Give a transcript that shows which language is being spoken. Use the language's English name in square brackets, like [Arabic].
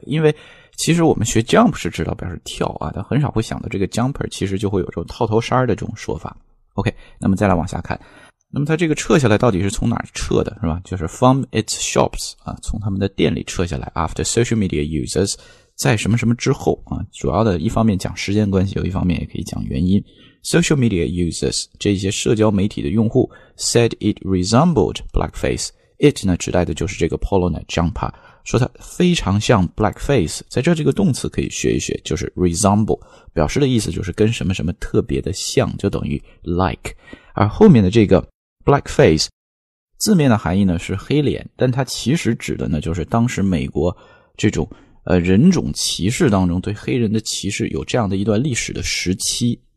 [Chinese] 因为其实我们学 jump 是知道表示跳啊，但很少会想到这个 jumper 其实就会有这种套头衫的这种说法。 OK, 那么再来往下看，那么它这个撤下来到底是从哪撤的，是吧，就是 [English] from its shops, [Chinese] 啊，从他们的店里撤下来， [English] after social media users, [Chinese] 在什么什么之后啊，主要的一方面讲时间关系，有一方面也可以讲原因。 [English] Social media users, [Chinese] 这些社交媒体的用户 [English] said it resembled blackface. It [Chinese] 呢指代的就是这个 [English] polo neck jumper, [Chinese] 说它非常像 blackface， 在这个动词可以学一学，就是 resemble， 表示的意思就是跟什么什么特别的像，就等于 like。而后面的这个 blackface 字面的含义呢是黑脸，但它其实指的呢就是当时美国这种人种歧视当中对黑人的歧视有这样的一段历史的时期。